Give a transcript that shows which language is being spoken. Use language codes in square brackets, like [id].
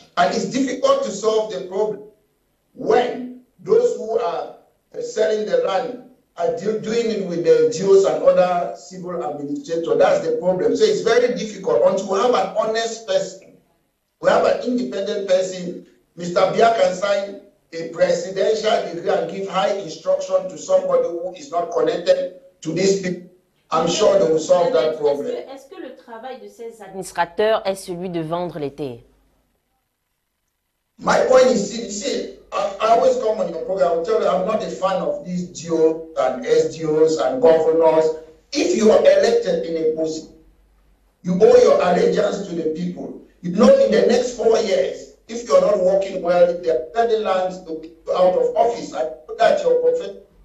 [en] And it's difficult to solve the problem when those who are selling the land are doing it with the deals and other civil administrators. That's the problem. So it's very difficult. Until we have an honest person, we have an independent person, Mr. Bia can sign a presidential degree and give high instruction to somebody who is not connected to these people, I'm sure they will solve that problem. [fr] Est-ce que le travail de ces administrateurs est celui de vendre les terres? [en] My point is, see, I always come on your program, I'll tell you, I'm not a fan of these GO and SGOs and governors. If you are elected in a position, you owe your allegiance to the people. You know, in the next 4 years, if you're not working well, if they're selling lands to keep you out of office, I put that your profit.